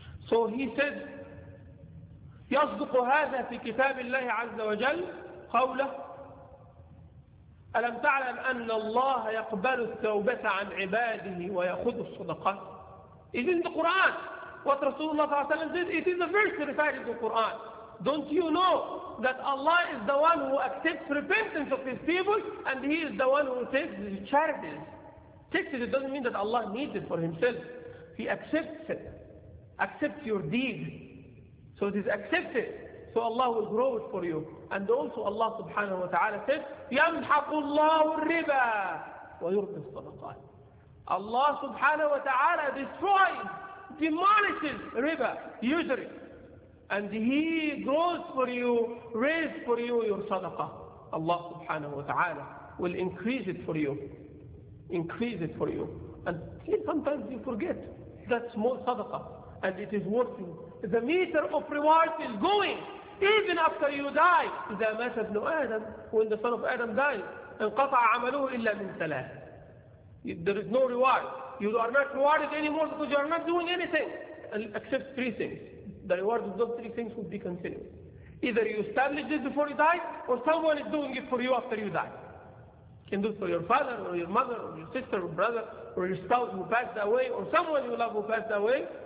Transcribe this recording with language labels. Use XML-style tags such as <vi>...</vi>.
<en>So he said,</en> <ar>يصدق هذا في كتاب الله عز وجل قوله ألم تعلم أن الله يقبل التوبة عن عباده ويأخذ الصدقات.</ar> <en>It's in the Quran. What Rasulullah</en> <ar>صلى الله عليه وسلم</ar> <en>said, it is the verse that recited in the Quran. Don't you know that Allah is the one who accepts repentance of his people, and he is the one who takes the charities. Takes it, it doesn't mean that Allah needs it for himself. He accepts it. Accept your deed. So it is accepted. So Allah will grow it for you. And also Allah subhanahu wa ta'ala said,</en> <ar>يَمْحَقُ اللَّهُ الرِّبَى وَيُرْبِي الصَّدَقَاتِ.</ar> <en>Allah subhanahu wa ta'ala destroys, demolishes riba, usury. And he grows for you, raises for you your sadaqah. Allah subhanahu wa ta'ala will increase it for you. Increase it for you. And sometimes you forget that small sadaqah. And it is worth it. The meter of rewards is going. Even after you die.</en> <ar>إِذَا مَاتَ ابْنُ آدَمُ</ar> <en>When the son of Adam died,</en> <ar>انْقَطَعَ عَمَلُهُ إِلَّا مِنْ ثَلَاثٍ.</ar> <en>There is no reward. You are not rewarded anymore because you are not doing anything. Except three things. The reward of those three things would be continued. Either you establish this before you die, or someone is doing it for you after you die. You can do it for your father, or your mother, or your sister, or brother, or your spouse who passed away, or someone you love who passed away.</en>